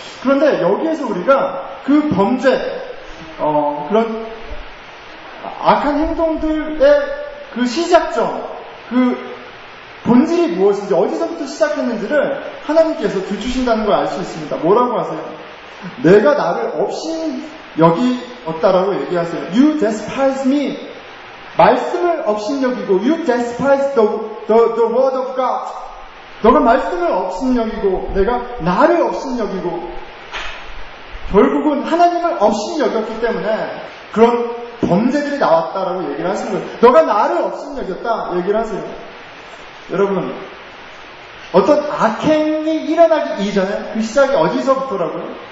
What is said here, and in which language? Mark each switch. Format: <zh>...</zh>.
<ko>그런데 여기에서 우리가 그 범죄, 그런 악한 행동들의 그 시작점, 그 본질이 무엇인지, 어디서부터 시작했는지를 하나님께서 들추신다는 걸 알 수 있습니다. 뭐라고 하세요? 내가 나를 업신여기었다라고 얘기하세요.</ko> <en>You despise me.</en> <ko>말씀을 업신여기고,</ko> <en>You despise the word of God.</en> <ko>너가 말씀을 업신여기고, 내가 나를 업신여기고, 결국은 하나님을 업신여겼기 때문에 그런 범죄들이 나왔다라고 얘기를 하신 거예요. 너가 나를 업신여겼다 얘기를 하세요. 여러분, 어떤 악행이 일어나기 이전에 그 시작이 어디서부터라고요?</ko>